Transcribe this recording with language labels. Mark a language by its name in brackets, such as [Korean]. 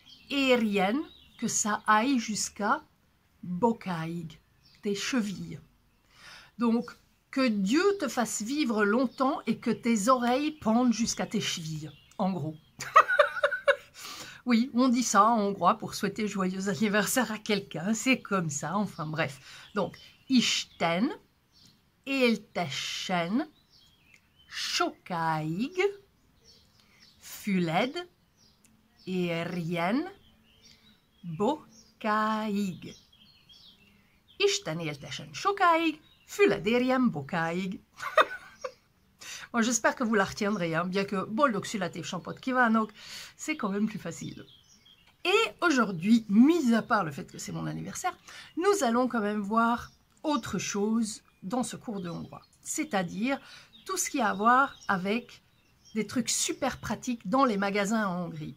[French] Érjen, que ça aille jusqu'à bokáig, tes chevilles. Donc, que Dieu te fasse vivre longtemps et que tes oreilles pendent jusqu'à tes chevilles, en gros. Oui, on dit ça en hongrois pour souhaiter joyeux anniversaire à quelqu'un, c'est comme ça, enfin bref. [Hungarian] Donc, Isten, éltesen, sokáig, füled, érjen, bokáig. Isten éltesen sokáig, füled érjen bokáig. [French] Bon, j'espère que vous la retiendrez, hein, bien que [Hungarian] boldog születés napot kívánok, [French] c'est quand même plus facile. Et aujourd'hui, mis à part le fait que c'est mon anniversaire, nous allons quand même voir autre chose dans ce cours de hongrois. C'est-à-dire tout ce qui a à voir avec des trucs super pratiques dans les magasins en Hongrie.